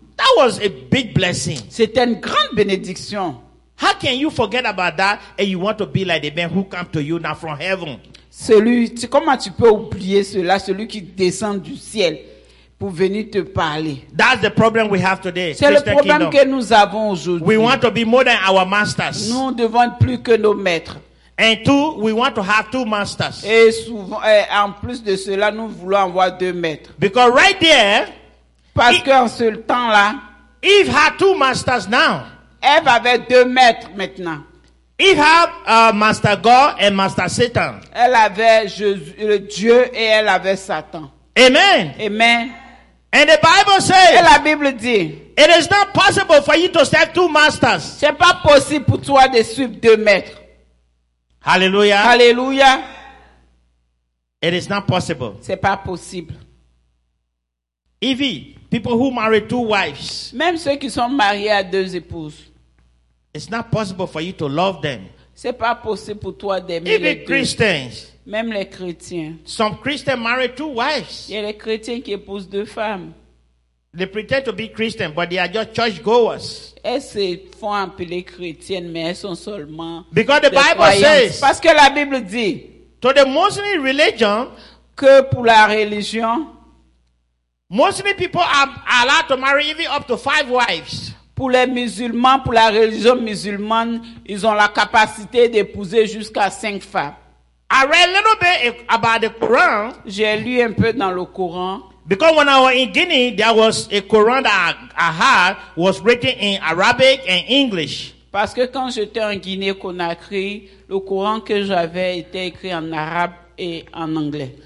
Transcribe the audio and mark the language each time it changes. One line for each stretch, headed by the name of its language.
English: That was a big blessing.
French: C'était une grande bénédiction.
English: How can you forget about that and you want to be like the man who comes to you now from heaven?
French: Comment tu peux oublier cela, celui qui descend du ciel pour venir te parler?
English: That's the problem we have today.
French: C'est le problème que nous avons aujourd'hui.
English: We want to be more than our masters.
French: Nous devons être plus que nos maîtres.
English: And two, we want to have two masters.
French: Et souvent, en plus de cela, nous voulons avoir deux maîtres.
English: Because right there,
French: parce qu'en ce temps-là,
English: Eve had two masters now.
French: Eve avait deux maîtres maintenant.
English: Eve had Master God and Master Satan.
French: Elle avait Dieu et elle avait Satan.
English: Amen.
French: Amen.
English: And the Bible says.
French: Et la Bible dit.
English: It is not possible for you to serve two masters.
French: C'est pas possible pour toi de suivre deux maîtres.
English: Hallelujah.
French: Hallelujah.
English: It is not possible.
French: C'est pas possible.
English: Evie. People who marry two wives.
French: Même ceux qui sont mariés à deux épouses.
English: It's not possible for you to love them.
French: C'est pas possible pour toi d'aimer
English: even les Christians.
French: Deux. Même les chrétiens.
English: Some Christians marry two wives.
French: Il y a des chrétiens qui épousent deux femmes.
English: They pretend to be Christian, but they are just churchgoers.
French: Elles se font appeler chrétiennes, mais elles sont seulement.
English: Because the Bible says.
French: Parce que la Bible dit.
English: To the Muslim religion.
French: Que pour la religion.
English: Muslim people are allowed to marry even up to five wives.
French: Pour les musulmans, pour la religion musulmane, ils ont la capacité d'épouser jusqu'à cinq femmes.
English: I read a little bit about the Quran.
French: J'ai lu un peu dans le Coran.
English: Because when I was in Guinea, there was a Quran that I had was written in Arabic and English.
French: Parce que quand j'étais en Guinée-Conakry, le Coran que j'avais était écrit en arabe et en anglais.